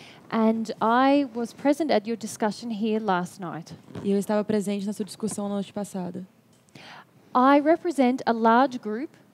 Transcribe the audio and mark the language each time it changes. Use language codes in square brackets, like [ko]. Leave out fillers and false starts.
[en] And I was present at your discussion here last night. [pt] E eu estava presente na sua discussão na noite passada. [en] I represent a large group.